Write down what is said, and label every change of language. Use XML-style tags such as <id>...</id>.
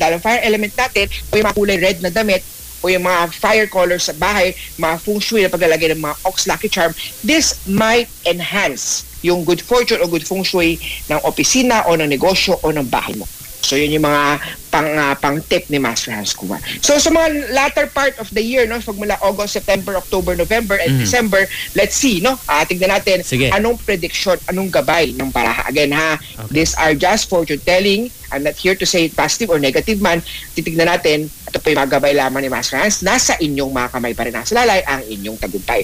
<tl>Dahil ang fire element natin, o yung mga kulay red na damit, o yung mga fire colors sa bahay, mga feng shui na paglalagay ng mga ox lucky charm,</tl> <en>this might enhance</en> <tl>yung good fortune o good feng shui ng opisina o ng negosyo o ng bahay mo. So yun yung mga pang tip ni Master Hans Kuma. So sa mga</tl> <en>latter part of the year,</en> <tl>no, pagmula August, September, October, November, and December, let's see, no, tignan natin. Sige. Anong prediction, anong gabay ng Baraha.</tl> <en>Again, ha, okay, these are just fortune telling. I'm not here to say positive or negative man.</en> <tl>Titignan natin, ito po yung mga gabay lamang ni Master Hans. Nasa inyong mga kamay pa rin, nasa lalay ang inyong tagumpay.</tl>